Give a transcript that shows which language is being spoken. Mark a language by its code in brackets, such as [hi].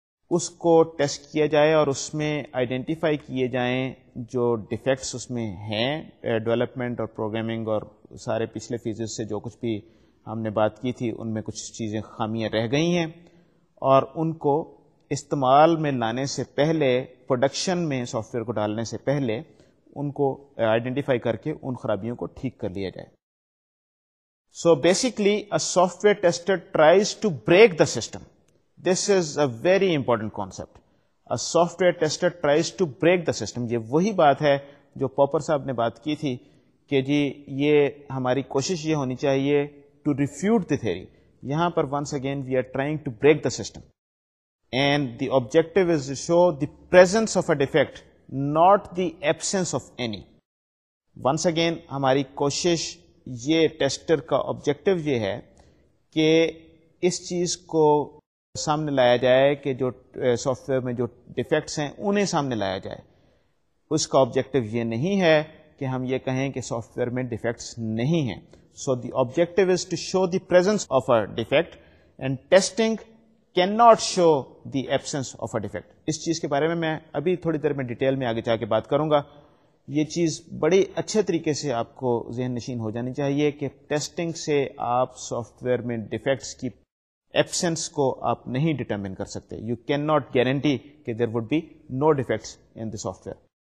[ur] usko test kiya jaye aur usme identify kiye jaye jo defects usme hain, development aur programming aur سارے پچھلے phases سے جو کچھ بھی ہم نے بات کی تھی ان میں کچھ چیزیں خامیاں رہ گئی ہیں, اور ان کو استعمال میں لانے سے پہلے, پروڈکشن میں سافٹ ویئر کو ڈالنے سے پہلے ان کو آئیڈینٹیفائی کر کے ان خرابیوں کو ٹھیک کر لیا جائے. [en] So basically a software tester tries to break the system. This is a very important concept. A software tester tries to break the system. [ur] یہ وہی بات ہے جو پاپر صاحب نے بات کی تھی کہ جی یہ ہماری کوشش یہ ہونی چاہیے [en] to refute the theory. [ur] یہاں پر [en] once again we are trying to break the system. And the objective is to show the presence of a defect, not the absence of any. Once again [ur] ہماری کوشش یہ tester کا objective یہ ہے کہ اس چیز کو سامنے لایا جائے کہ جو سافٹ ویئر میں جو ڈیفیکٹس ہیں انہیں سامنے لایا جائے. اس کا آبجیکٹو یہ نہیں ہے کہ ہم یہ کہیں کہ سافٹ ویئر میں ڈیفیکٹس نہیں ہیں. [en] So the objective is to show the presence of a defect and testing can not show the absence of a defect. [ur] اس چیز کے بارے میں میں ابھی تھوڑی دیر میں ڈیٹیل میں آگے جا کے بات کروں گا. یہ چیز بڑی اچھے طریقے سے آپ کو ذہن نشین ہو جانی چاہیے کہ ٹیسٹنگ سے آپ سافٹ ویئر میں ڈیفیکٹس کی ایبسنس کو آپ نہیں ڈیٹرمن کر سکتے. [en] You can not guarantee کہ there would be no defects in the software.